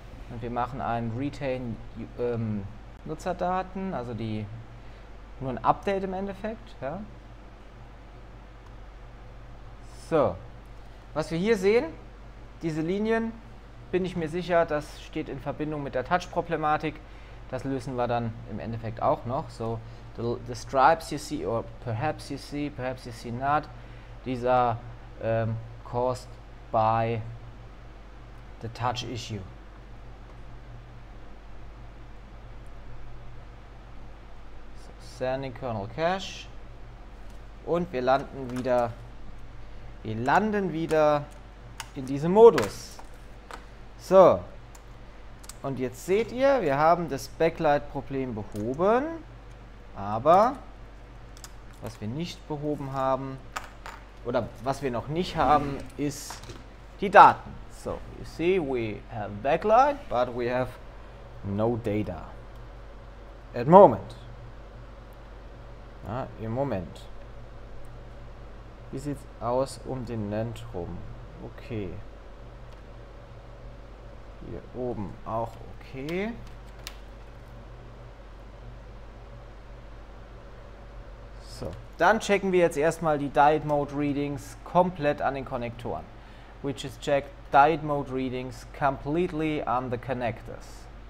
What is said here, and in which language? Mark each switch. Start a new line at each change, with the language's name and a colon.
German: Und wir machen einen Retain Nutzerdaten, also die nur ein Update im Endeffekt. Ja. So, was wir hier sehen, diese Linien, bin ich mir sicher, das steht in Verbindung mit der Touch-Problematik. Das lösen wir dann im Endeffekt auch noch.
English: So, the stripes you see, or perhaps you see not, these are caused by the touch issue. So, sending kernel cache.
German: Und wir landen wieder in diesem Modus. So. Und jetzt seht ihr, wir haben das Backlight-Problem behoben, aber was wir nicht behoben haben, oder was wir noch nicht haben, ist die Daten.
English: So, you see, we have Backlight, but we have no data. At moment.
German: Ja, im Moment. Wie sieht's aus um den NAND rum? Okay. Hier oben auch okay. So, dann checken wir jetzt erstmal die Diode Mode Readings komplett an den Konnektoren.
English: We just check Diode Mode Readings completely on the connectors.